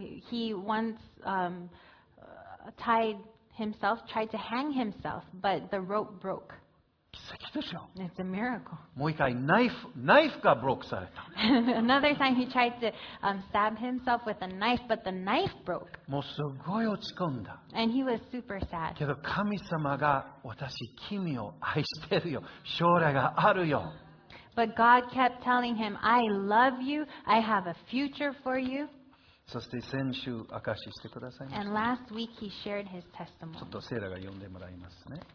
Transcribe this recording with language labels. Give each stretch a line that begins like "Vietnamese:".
English: He once tied himself, tried to hang himself, but the rope broke.
Japanese: 奇跡ですよ。
English: It's a miracle.
Japanese: もう一回ナイフがブロックされた。
English: Another time he tried to stab himself with a knife, but the knife broke.
Japanese: もうすごい落ち込んだ。
English: And he was super sad.
Japanese: けど神様が私君を愛してるよ。将来があるよ。
English: But God kept telling him, I love you. I have a future for you.
Japanese: そして先週証ししてくださいました。
English: And last week he shared his testimony.
Japanese: ちょっとセーラが読んでもらいますね。